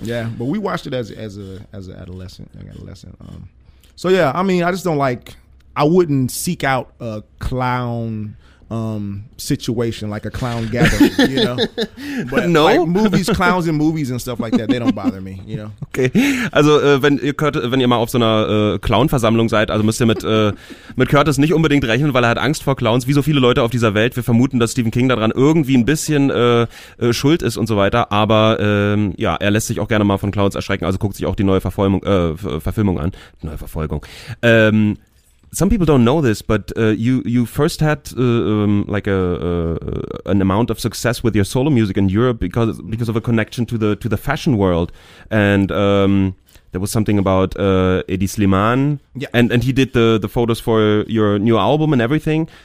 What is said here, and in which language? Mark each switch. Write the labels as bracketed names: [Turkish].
[English] Yeah, but we watched it as an adolescent. So yeah, I mean, I just don't like, I wouldn't seek out a clown situation, like a clown gathering, you know. But no, like movies, clowns in movies and stuff like that, they don't bother me, you know. [German] Okay, also wenn ihr mal auf so einer Clown-Versammlung seid, also müsst ihr mit Curtis nicht unbedingt rechnen, weil er hat Angst vor Clowns, wie so viele Leute auf dieser Welt. Wir vermuten, dass Stephen King daran irgendwie ein bisschen schuld ist und so weiter, aber er lässt sich auch gerne mal von Clowns erschrecken, also guckt sich auch die neue Verfilmung an. Neue Verfolgung. [English] Some people don't know this, but you first had an amount of success with your solo music in Europe because of a connection to the fashion world, and there was something about Eddie Slimane, and he did the photos for your new album and everything.